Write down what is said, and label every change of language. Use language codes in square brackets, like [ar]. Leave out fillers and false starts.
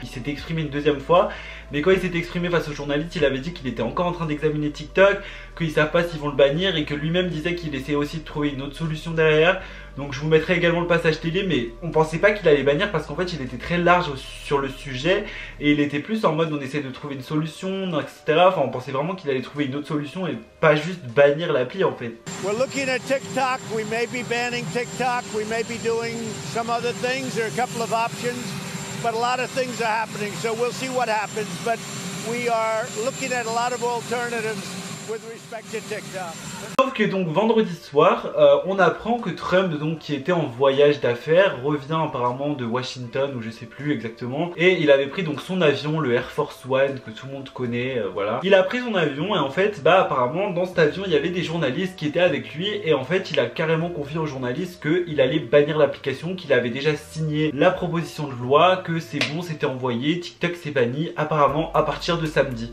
[fr] Il s'est exprimé une deuxième fois, mais quand il s'est exprimé face aux journalistes, il avait dit qu'il était encore en train d'examiner TikTok, qu'ils savent pas s'ils vont le bannir, et que lui-même disait qu'il essayait aussi de trouver une autre solution derrière. Donc je vous mettrai également le passage télé, mais on pensait pas qu'il allait bannir parce qu'en fait il était très large sur le sujet et il était plus en mode on essaie de trouver une solution, etc. Enfin on pensait vraiment qu'il allait trouver une autre solution et pas juste bannir l'appli en fait. [en] We're looking at TikTok, we may be banning TikTok, we may be doing some other things, there are a couple of options, but a lot of things are happening, so we'll see what happens, but we are looking at a lot of alternatives. [fr] Sauf que donc vendredi soir, on apprend que Trump, donc qui était en voyage d'affaires, revient apparemment de Washington ou je sais plus exactement, et il avait pris donc son avion, le Air Force One que tout le monde connaît, voilà. Il a pris son avion et en fait, bah apparemment dans cet avion il y avait des journalistes qui étaient avec lui, et en fait il a carrément confié aux journalistes qu'il allait bannir l'application, qu'il avait déjà signé la proposition de loi, que c'est bon, c'était envoyé, TikTok s'est banni apparemment à partir de samedi.